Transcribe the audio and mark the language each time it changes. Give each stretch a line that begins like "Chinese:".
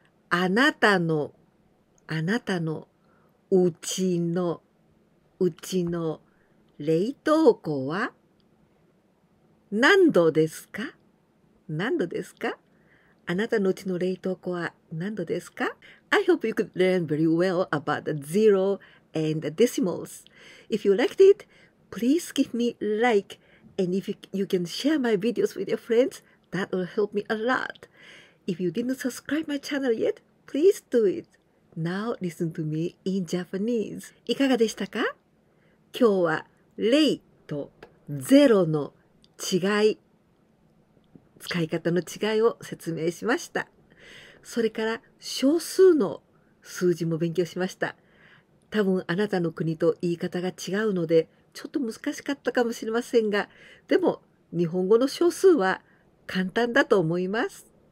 Japanese: あなたの、あなたのうちの、うちの冷凍庫は何度ですか?何度ですか? あなたのうちの冷凍庫は何度ですか?
English: I hope you could learn very well about the zero and the decimals. If you liked it, please give me like. And if you can share my videos with your friends, that will help me a lot. If you didn't subscribe my channel yet, please do it. Now listen to me in Japanese.
Japanese: いかがでしたか? 今日は零とゼロの違い。使い方の違いを説明しました。それから小数の数字も勉強しました。多分あなたの国と言い方が違うので、ちょっと難しかったかもしれませんが、でも日本語の小数は簡単だと思います。